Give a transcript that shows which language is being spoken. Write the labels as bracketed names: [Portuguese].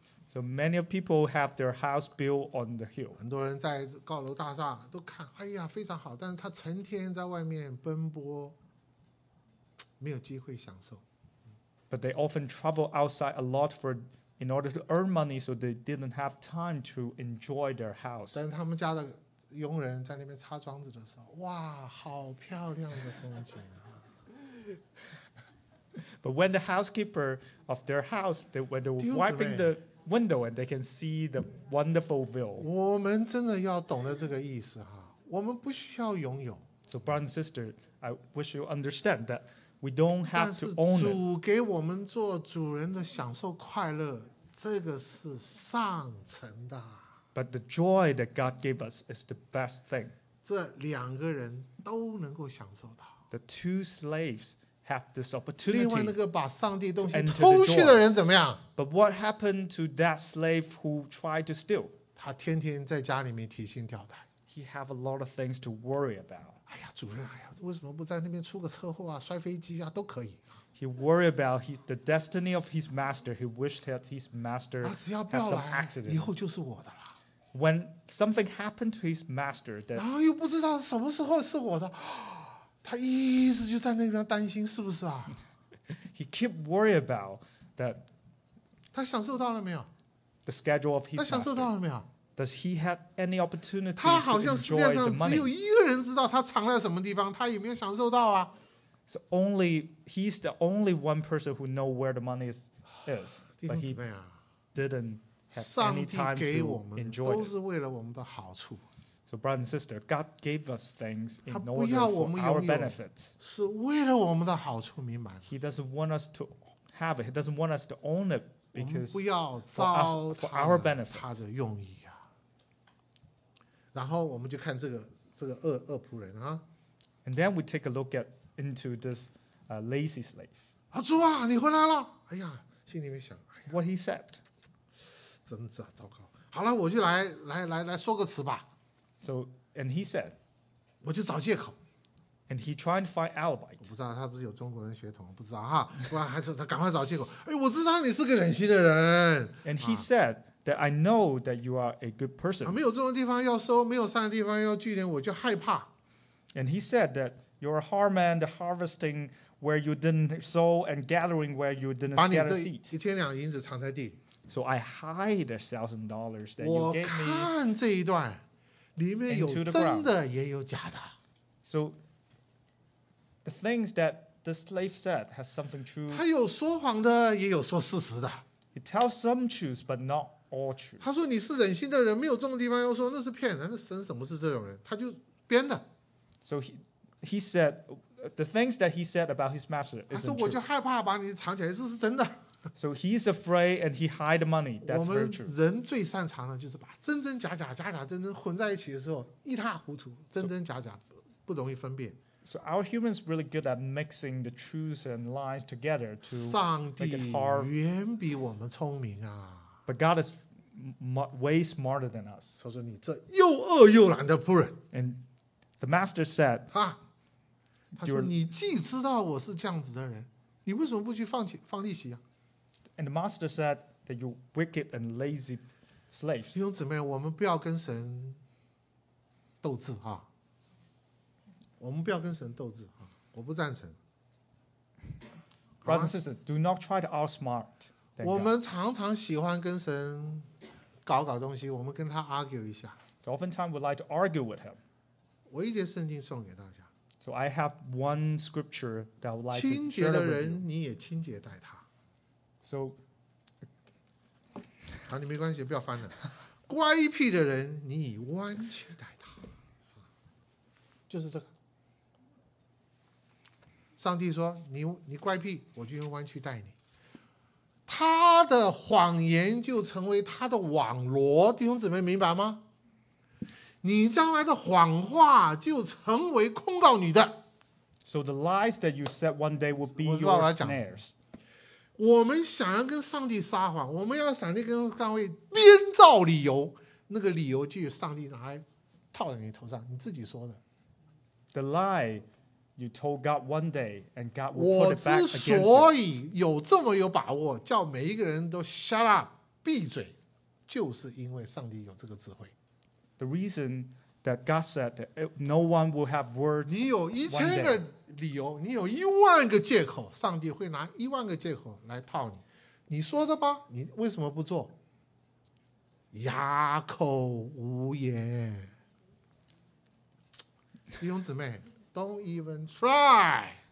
[English] So many people have their house built on the hill。 [Chinese] 很多人在高楼大厦都看，哎呀非常好，但是他成天在外面奔波，没有机会享受。 [English] But they often travel outside a lot for. In order to earn money, so they didn't have time to enjoy their house. [Chinese] 但他们家的佣人在那边擦窗子的时候，哇，好漂亮的风景啊！ [English] But when the housekeeper of their house, when they were wiping the window, and they can see the wonderful view. [Chinese] 我们真的要懂得这个意思哈，我们不需要拥有。 [English] So, brother and sister, I wish you understand that. We don't have to own it. [Chinese] 但是主给我们做主人的享受快乐，这个是上乘的。 [English] But the joy that God gave us is the best thing. [Chinese] 这两个人都能够享受到。 [English] The two slaves have this opportunity. [Chinese] 另外那个把上帝东西偷去的人怎么样？ [English] But what happened to that slave who tried to steal? [Chinese] 他天天在家里面提心吊胆。 [English] He have a lot of things to worry about. [Chinese] 哎呀，主任，哎呀，为什么不在那边出个车祸啊，摔飞机啊，都可以。 [English] He worried about the destiny of his master. He wished that his master had some accident. [Chinese] 以后就是我的了。 [English] When something happened to his master, that [Chinese] 然后又不知道什么时候是我的，他一直就在那边担心，是不是啊？ [English] He kept worried about that. [Chinese] 他享受到了没有？ [English] The schedule of his master. [Chinese] 他享受到了没有？ [English] Does he have any opportunity? [Chinese] 他好像世界上只有一个人知道他藏在什么地方，他有没有享受到啊？ [English] So only he's the only one person who know where the money is, but he didn't. [Chinese] 上帝给我们都是为了我们的好处。 [English] So brother and sister, God gave us things in order [Chinese] 他不要我们拥有 [English] our benefits. [Chinese] 是为了我们的好处，明白吗？ [English] He doesn't want us to have it. He doesn't want us to own it because [Chinese] 我们不要糟蹋 [English] for our benefit. [Chinese] 他的用意啊。然后我们就看这个恶仆人啊。 [English] And then we take a look at into this lazy slave. [Chinese] 啊，主啊，你回来了！哎呀，心里面想，哎呀 [English] ，What he said. [Chinese] 真是啊，糟糕！好了，我就来说个词吧。 [English] So and he said， [Chinese] 我就找借口。 [English] And he tried to find alibi。 [Chinese] 我不知道他不是有中国人血统，不知道哈。哇，还说他赶快找借口。哎，我知道你是个忍心的人。 [English] And he said that I know that you are a good person、啊。 [Chinese] 没有这种地方要收，没有善的地方要聚敛，我就害怕。 [English] And he said that you're a hard man, the harvesting where you didn't sow and gathering where you didn't scatter seed。 [Chinese] 把你这一千两银子藏在地里。 [English] So I hide $1,000 that you gave me. [Chinese] 我看这一段，里面有真的也有假的。 [English] So the things that the slave said has something true. [Chinese] 他有说谎的，也有说事实的。 [English] He tells some truth, but not all truth. [Chinese] 他说你是忍心的人，没有这种地方要说，那是骗人。那神怎么是这种人？他就编的。 [English] So he said the things that he said about his master isn't true. [Chinese] 他说我就害怕把你藏起来，这是真的。 [English] So he's afraid and he hide the money. That's very true. [Chinese] 我们人最擅长的就是把真真假假、假假真真混在一起的时候一塌糊涂，真真假假不容易分辨。 [English] So our humans really good at mixing the truths and lies together to make it hard. [Chinese] 上帝远比我们聪明啊。 [English] But God is way smarter than us. [Chinese] 说说你这又恶又懒的仆人。 [English] And the master said, [Chinese] 哈，他说你既知道我是这样子的人，你为什么不去放利息啊？ [English] And the master said that you wicked and lazy slave. [Chinese] 弟兄姊妹，我们不要跟神斗智啊！我们不要跟神斗智啊！我不赞成。 [English] Brothers and sisters, do not try to outsmart. [Chinese] 我们常常喜欢跟神搞东西，我们跟他 argue 一下。 [English] So oftentimes we like to argue with him. [Chinese] 我一节圣经送给大家。 [English] So I have one scripture that I would like to share with you. [Chinese] 清洁的人，你也清洁待他。 [English] So, [Chinese] 好，你没关系，不要翻了。乖僻的人，你以弯曲待他，就是这个。上帝说：“你乖僻，我就用弯曲待你。” 他的谎言就成为他的网罗，弟兄姊妹明白吗？你将来的谎话就成为控告你的。 [English] So the lies that you said one day will be your snares. [Chinese] 我们想要跟上帝撒谎，我们要想要跟上帝编造理由，那个理由就由上帝拿来套在你头上，你自己说的。 [English] The lie you told God one day and God will put it back against you. [Chinese] 我之所以有这么有把握，叫每一个人都 [English] shut up, [Chinese] 闭嘴，就是因为上帝有这个智慧。 [English] The reason that God said that no one will have words. [Chinese] 你有一千个。理由，你有一万个借口，上帝会拿一万个借口来套你。你说的吧，你为什么不做？哑口无言。弟兄姊妹 [English] ，Don't even try。